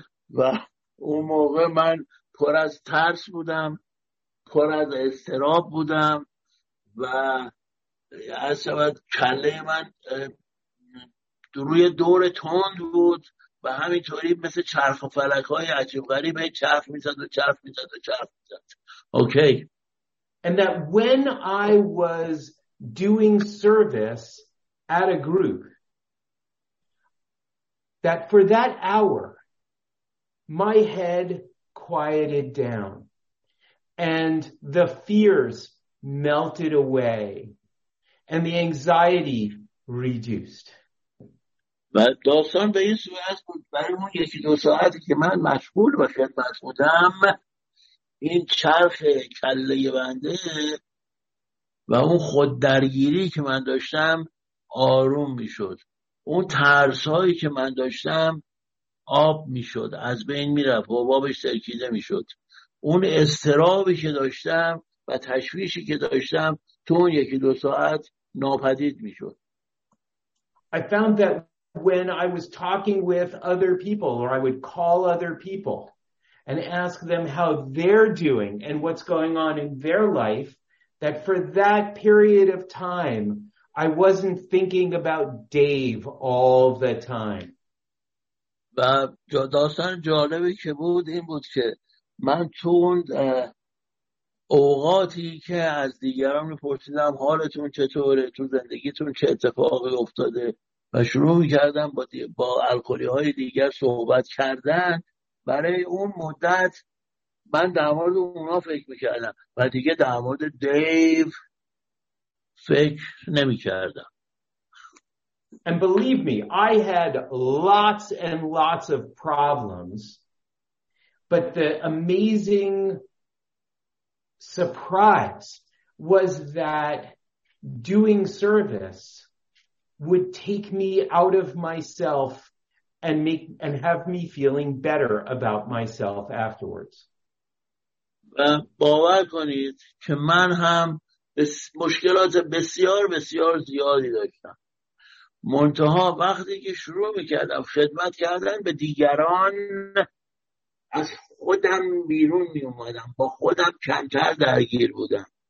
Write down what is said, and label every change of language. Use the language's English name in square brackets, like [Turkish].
[Persian] و اون موقع من پر از ترس بودم، پر از استراب بودم و اصلا کله من روی دور تند بود و همینطوری مثل چرخ و فلک‌های عجیب غریب چرخ می‌زد و چرخ می‌زد و چرخ می‌زد. اوکی. [English] And that when I was doing service at a group, that for that hour, my head quieted down and the fears melted away and the anxiety reduced. [Persian] و داستان به این صورت بود برای اون یکی دو ساعتی که من مشغول به خدمت بودم این چرخ کله بنده و اون خوددرگیری که من داشتم آروم می شد. اون ترسایی که من داشتم آب می شد. از بین می رفت. حبابش ترکیده می شد. اون استرابی که داشتم و تشویشی که داشتم تو اون یکی دو ساعت ناپدید می شد. [English] I found that when I was talking with other people or I would call other people and ask them how they're doing and what's going on in their life, that for that period of time, I wasn't thinking about Dave all the time. [Persian] و داستان جالبی که بود این بود که من چون اوقاتی که از دیگران پرسیدم حالتون چطوره، تو زندگیتون چه اتفاقی افتاده و شروع می‌کردم با الکلی‌های دیگر صحبت کردن، برای اون مدت من در مورد اونا فکر می‌کردم و دیگه در مورد دیو فکر نمی‌کردم. [English] And believe me, I had lots and lots of problems, but the amazing surprise was that doing service would take me out of myself and have me feeling better about myself afterwards. [Persian] باور کنید که من هم مشکلات بسیار بسیار زیادی داشتم. منتها وقتی که شروع میکردم خدمت کردن به دیگران از خودم بیرون میومدم، با خودم کمتر درگیر بودم.